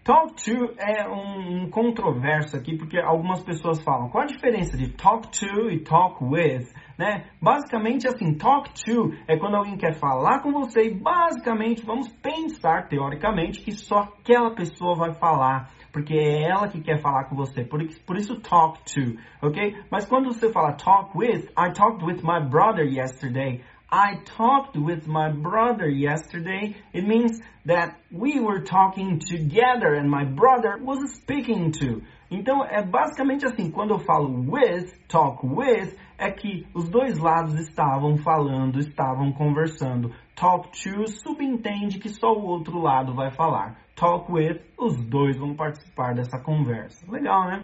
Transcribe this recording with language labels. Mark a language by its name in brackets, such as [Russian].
[Portuguese] Talk to é um controverso aqui, porque algumas pessoas falam, qual a diferença de talk to e talk with, né? Basicamente, assim, talk to é quando alguém quer falar com você e, basicamente, vamos pensar, teoricamente, que só aquela pessoa vai falar, porque é ela que quer falar com você, por isso talk to, ok? Mas quando você fala [English] talk with, I talked with my brother yesterday, I talked with my brother yesterday. It means that we were talking together and my brother was speaking too. [Portuguese] Então, é basicamente assim, quando eu falo with, talk with, é que os dois lados estavam falando, estavam conversando. Talk to subentende que só o outro lado vai falar. Talk with, os dois vão participar dessa conversa. Legal, né?